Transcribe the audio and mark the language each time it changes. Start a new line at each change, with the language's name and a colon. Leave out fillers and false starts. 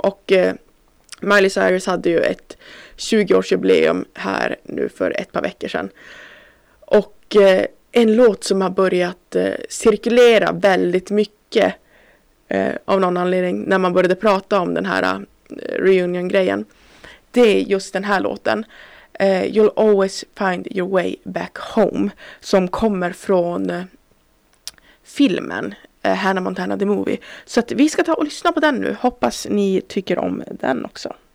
Swedish: Och Miley Cyrus hade ju ett 20-årsjubileum här nu för ett par veckor sedan. Och en låt som har börjat cirkulera väldigt mycket av någon anledning när man började prata om den här reunion-grejen. Det är just den här låten.
English: You'll always find your way back home.
Swedish: Som kommer från filmen Hannah Montana The Movie. Så att vi ska ta och lyssna på den nu. Hoppas ni tycker om den också.